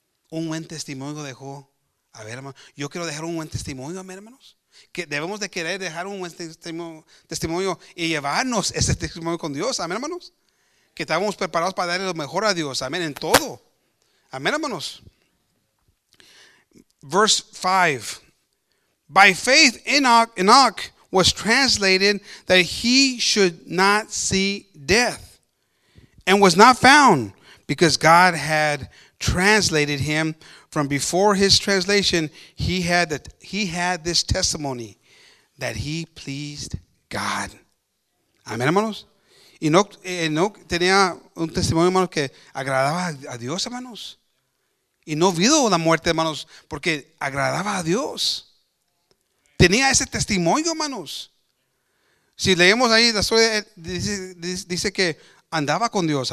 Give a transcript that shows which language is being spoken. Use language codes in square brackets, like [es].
[es] Un buen testimonio dejó. A ver, hermanos, yo quiero dejar un buen testimonio, amén, hermanos. Que debemos de querer dejar un buen testimonio y llevarnos ese testimonio con Dios, amén, hermanos. Que estábamos preparados para darle lo mejor a Dios, amén, en todo. Amén, hermanos. [en] Verse 5. By faith Enoch was translated that he should not see death and was not found because God had translated him from before his translation. He had this testimony that he pleased God. [es] Amén, hermanos. Enoch tenía un testimonio, hermanos, que agradaba a Dios, hermanos. Y no vio la muerte, hermanos, porque agradaba a Dios. Tenía ese testimonio, hermanos. Si leemos ahí la historia, dice que andaba con Dios.